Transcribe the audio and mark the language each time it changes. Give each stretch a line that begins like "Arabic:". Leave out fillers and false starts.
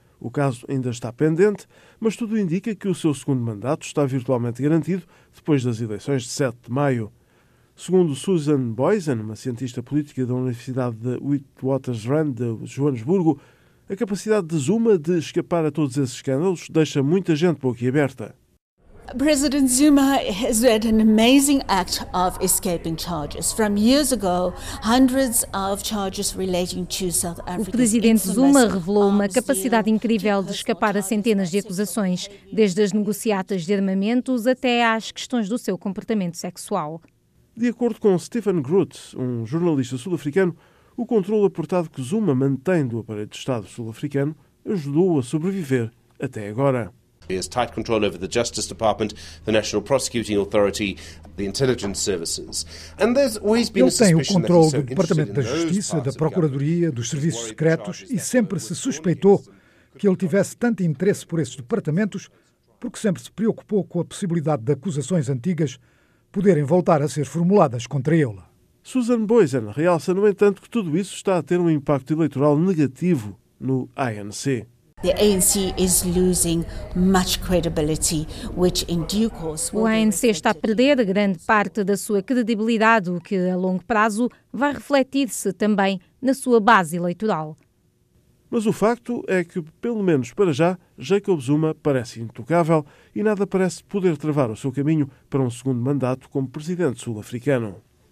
Portuguese: O caso ainda está pendente, mas tudo indica que o seu segundo mandato está virtualmente garantido depois das eleições de 7 de maio. Segundo Susan Boysen, uma cientista política da Universidade de Witwatersrand de Joanesburgo, a capacidade de Zuma de escapar a todos esses escândalos deixa muita gente boquiaberta.
English: President Zuma has had an amazing act of escaping charges. From years ago, hundreds of charges relating to South Africa.
Portuguese: O presidente Zuma revelou uma capacidade incrível de escapar a centenas de acusações, desde as negociatas de armamentos até às questões do seu comportamento sexual. De acordo com Stephen Groot, um jornalista sul-africano, o controle apertado que Zuma mantém do aparelho de Estado sul-africano ajudou-o a sobreviver até agora.
English: He has tight control over the Justice Department, the National Prosecuting Authority, the Intelligence Services. And there's always been a suspicion that he's so interested in those parts of the government,
Portuguese: da Procuradoria, dos Serviços Secretos, e sempre se suspeitou que ele tivesse tanto interesse por esses departamentos porque sempre se preocupou com a possibilidade de acusações antigas poderem voltar a ser formuladas contra ele. Susan Boysen realça, no entanto, que tudo isso está a ter um impacto eleitoral negativo no ANC.
English: The ANC is losing much credibility, which in due course
Portuguese: will... O ANC está a perder grande parte da sua credibilidade, o que a longo prazo vai refletir-se também na sua base eleitoral. Mas o facto é que, pelo menos para já, Jacob Zuma parece intocável e nada parece poder travar o seu caminho para um segundo mandato como presidente sul-africano.